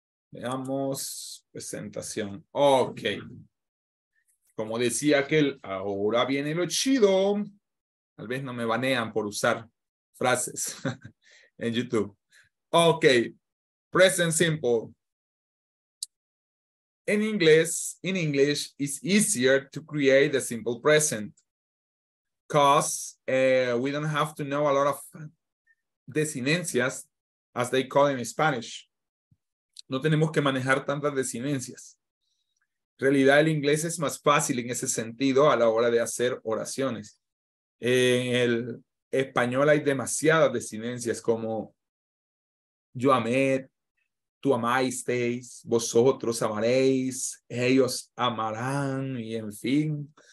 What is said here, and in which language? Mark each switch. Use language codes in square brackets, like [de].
[es] Veamos presentación. Ok. Como decía aquel, ahora viene lo chido. Tal vez no me banean por usar frases en YouTube. [en] Ok. Present simple. In English, it's easier to create the simple present. Because we don't have to know a lot of desinencias, as they call in Spanish. [es] No tenemos que manejar tantas desinencias. En realidad, el inglés es más fácil en ese sentido a la hora de hacer oraciones. En el español hay demasiadas desinencias como yo amé, tú amasteis, vosotros amaréis, ellos amarán, y en fin.